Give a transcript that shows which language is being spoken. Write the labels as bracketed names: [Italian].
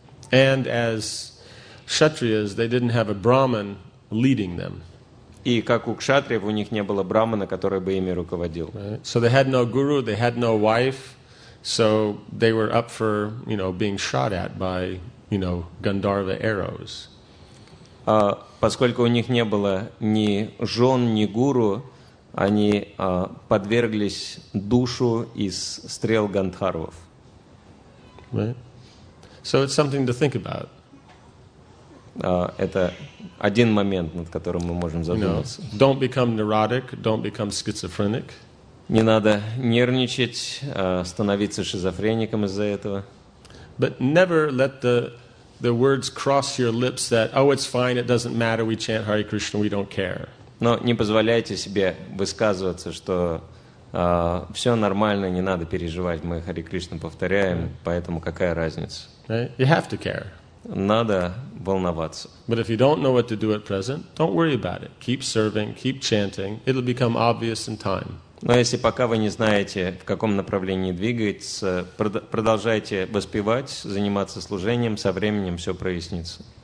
[English] And as kshatriyas, they didn't have a brahman leading them. [Russian] И как у кшатриев, у них не было брахмана, который бы ими руководил. [English] Right. So they had no guru, they had no wife, so they were up for, you know, being shot at by, you know, Gandharva arrows. [Russian] Поскольку у них не было ни жен, ни гуру, они подверглись душу из стрел гандхарвов. [English] Right. So it's something to think about. [Russian] Это один момент, над которым мы можем задуматься. [English] You know, don't become neurotic, don't become schizophrenic. [Russian] Не надо нервничать, становиться шизофреником из-за этого. [English] But never let the words cross your lips that, oh, it's fine, it doesn't matter, we chant Hare Krishna, we don't care. [Russian] Но не позволяйте себе высказываться, что все нормально, не надо переживать, мы Хари Кришну повторяем, поэтому какая разница? [English] Right? You have to care. [Russian] Надо волноваться. [English] But if you don't know what to do at present, don't worry about it. Keep serving, keep chanting. It'll become obvious in time. [Russian] Но если пока вы не знаете, в каком направлении двигаться, продолжайте воспевать, заниматься служением, со временем все прояснится.